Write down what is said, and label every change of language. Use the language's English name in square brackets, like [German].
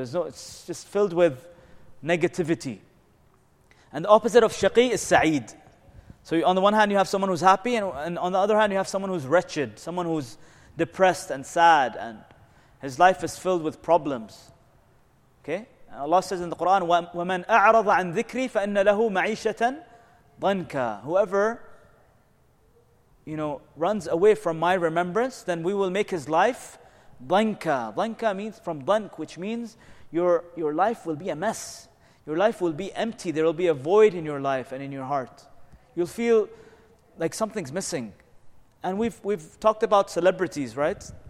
[English] There's no, it's just filled with negativity. And the opposite of shaqi is sa'id. So on the one hand, you have someone who's happy, and on the other hand, you have someone who's wretched, someone who's depressed and sad, and his life is filled with problems. Okay? And Allah says in the Quran, [Arabic] وَمَنْ أَعْرَضَ عَنْ ذِكْرِي فَإِنَّ لَهُ مَعِيشَةً ضَنْكَ. [English] Whoever, you know, runs away from my remembrance, then we will make his life ضَنْكَ. ضَنْكَ means, from ضَنْك, which means your life will be a mess. Your life will be empty. There will be a void in your life and in your heart. You'll feel like something's missing. And we've talked about celebrities, right?